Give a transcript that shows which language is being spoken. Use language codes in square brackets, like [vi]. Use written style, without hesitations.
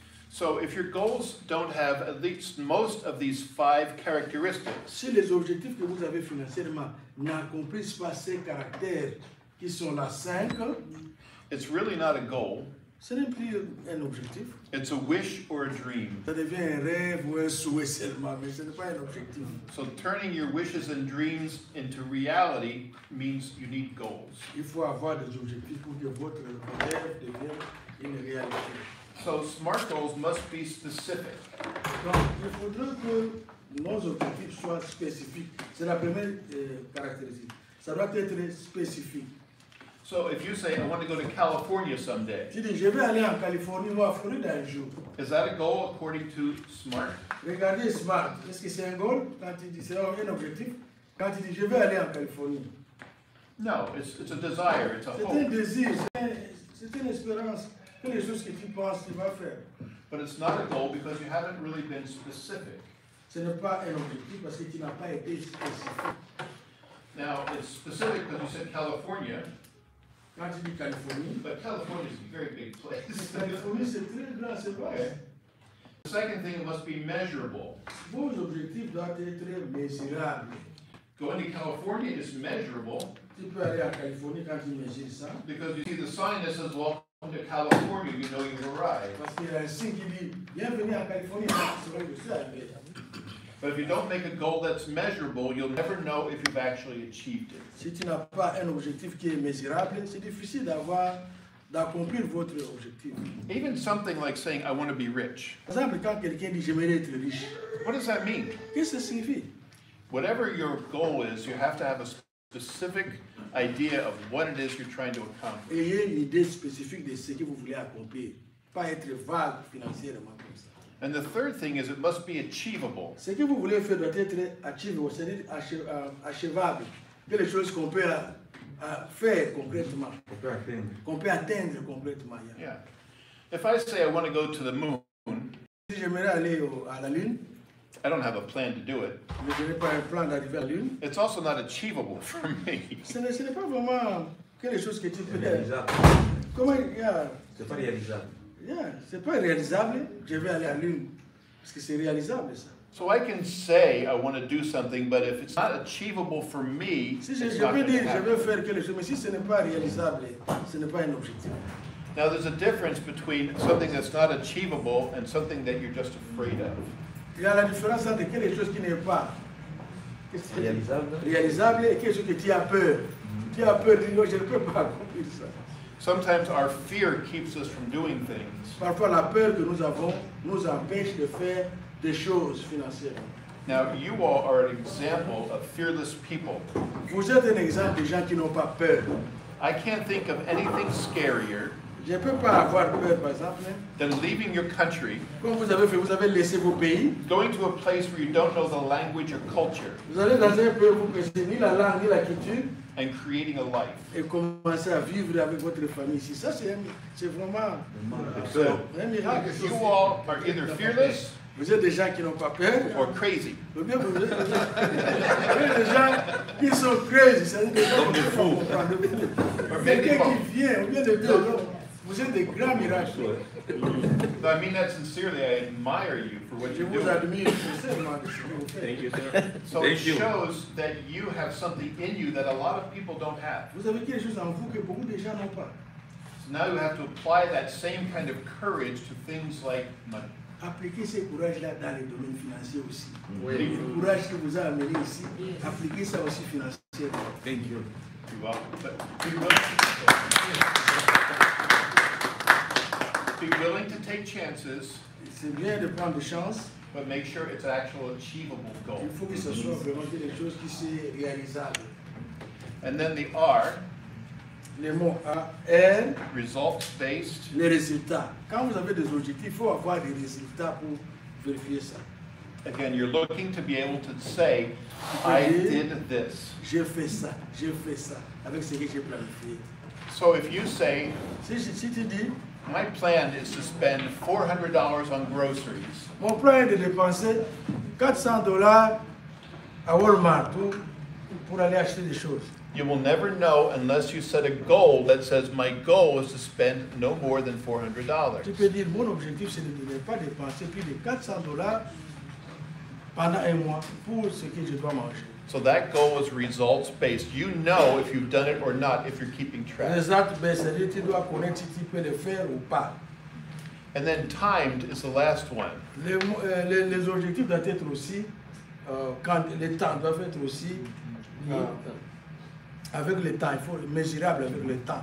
[en] So if your goals don't have at least most of these five characteristics. [fr] Si les objectifs que vous avez financièrement n'accomplissent pas ces caractères qui sont la cinq. [en] It's really not a goal. [fr] Ce n'est plus un objectif. [en] It's a wish or a dream. [fr] Ça devient un rêve ou un souhait seulement, mais ce n'est pas un objectif. [en] So turning your wishes and dreams into reality means you need goals. [fr] Il faut avoir des objectifs pour que votre rêve devienne une réalité. [en] So smart goals must be specific. [fr] Donc, il faudra que nos objectifs soient spécifiques. C'est la première caractéristique. Ça doit être spécifique. [en] So if you say, I want to go to California someday. [fr] Tu dis, je vais aller en Californie ou en Floride un jour. [en] Is that a goal according to SMART? [fr] Regardez SMART. Est-ce que c'est un goal? Quand tu dis, c'est un objectif. Quand tu dis, je vais aller en Californie. [en] No, it's a desire, it's a [fr] c'est [en] hope. [fr] C'est un désir, c'est une espérance. C'est une chose que tu penses que tu vas faire. [en] But it's not a goal because you haven't really been specific. [fr] Ce n'est pas un objectif parce que tu n'as pas été spécifique. [en] Now, it's specific because you said California. [fr] Quand tu dis Californie. [en] But California is a very big place. [fr] Californie, c'est très grand, c'est vrai. [en] Okay. The second thing, it must be measurable. [fr] Vos objectifs doivent être mesurables. [en] Going to California is measurable. [fr] Tu peux aller à Californie quand tu mesures ça. [en] Because you see the sign that says, welcome to California, you know you've arrived. [fr] Parce qu'il y a un signe qui dit, bienvenue à Californie, c'est vrai que c'est arrivé. [en] But if you don't make a goal that's measurable, you'll never know if you've actually achieved it. [fr] Si tu n'as pas un objectif qui est mesurable, c'est difficile d'accomplir votre objectif. [en] Even something like saying, I want to be rich. [fr] Par exemple, quand quelqu'un dit, j'aimerais être riche. [en] What does that mean? [fr] Qu'est-ce que ça signifie? [en] Whatever your goal is, you have to have a specific idea of what it is you're trying to accomplish. [fr] Ayez une idée spécifique de ce que vous voulez accomplir. Pas être vague financièrement comme ça. [en] And the third thing is it must be achievable. [fr] Ce que vous voulez faire doit être achievable, c'est-à-dire achevable. Quelque chose qu'on peut faire concrètement. Qu'on peut atteindre concrètement. [en] Yeah. If I say I want to go to the moon, [fr] si j'aimerais aller à la lune, [en] I don't have a plan to do it. [fr] Mais je n'ai pas un plan d'arriver à la lune. [en] It's also not achievable for me. [fr] Ce n'est pas vraiment quelque chose que tu peux faire. Comment, C'est pas réalisable. Yeah, c'est pas réalisable. Je vais aller à lune parce que c'est réalisable ça. [en] So I can say I want to do something, but if it's not achievable for me, [fr] si je veux dire je veux faire quelque chose, mais si ce n'est pas réalisable, ce n'est pas un objectif. [en] Now there's a difference between something that's not achievable and something that you're just afraid of. [fr] Il y a la différence entre quelque chose qui n'est pas réalisable et quelque chose que tu as peur. Tu as peur de dire je ne peux pas accomplir ça. [en] Sometimes our fear keeps us from doing things. [fr] Parfois la peur que nous avons nous empêche de faire des choses financières. [en] Now you all are an example of fearless people. [fr] Vous êtes un exemple de gens qui n'ont pas peur. [en] I can't think of anything scarier. [fr] Je peux pas avoir peur, par exemple. [en] Than leaving your country. [fr] Comme vous avez fait, vous avez laissé vos pays. [en] Going to a place where you don't know the language or culture. [fr] Vous allez dans un pays où vous ne connaissez ni la langue ni la culture. [en] And creating a life. [fr] Et commencer à vivre avec votre famille. Si ça c'est vraiment un miracle. [en] You all are either fearless. [fr] Vous êtes des gens qui n'ont pas peur. [en] Or crazy. [fr] Vous êtes des gens qui sont crazy. C'est des gens qui font. Quelqu'un qui vient. Ou bien des deux. Vous êtes des grands miracles. [en] But I mean that sincerely. I admire you for what you're doing. [fr] Vous admire. [en] Thank you, sir. So thank it you. Shows that you have something in you that a lot of people don't have. [fr] Vous avez quelque chose en vous que beaucoup de gens n'ont pas. [en] So now you have to apply that same kind of courage to things like money. [fr] appliquez ce courage-là dans les domaines financiers aussi. Oui. Le courage que vous avez amené ici, appliquez ça aussi financièrement. [en] Thank you. You're welcome. You're welcome. Be willing to take chances. [fr] C'est bien de prendre des chances. [en] But make sure it's an actual achievable goal. [fr] Il faut que ce soit vraiment quelque chose qui soit réalisable. [en] And then the R. [fr] Les mots A, R. [en] Results based. [fr] Les résultats. Quand vous avez des objectifs, il faut avoir des résultats pour vérifier ça. [en] Again, you're looking to be able to say, I did this. [fr] J'ai fait ça avec ce que j'ai planifié. [en] So if you say, [fr] si tu dis, [en] my plan is to spend $400 on groceries. [fr] Mon plan est de dépenser $400 à Walmart pour aller acheter des choses. [en] You will never know unless you set a goal that says my goal is to spend no more than $400. [fr] Tu peux dire mon objectif c'est de ne pas dépenser plus de $400 pendant un mois pour ce que je dois manger. [en] So that goal is results based. You know if you've done it or not, if you're keeping track. Result based, [fr] c'est-à-dire tu dois connaître si tu peux le faire ou pas. [en] And then timed is the last one. [fr] Les objectifs doivent être aussi, quand les temps doivent être aussi, avec le temps, il faut mesurable avec le temps.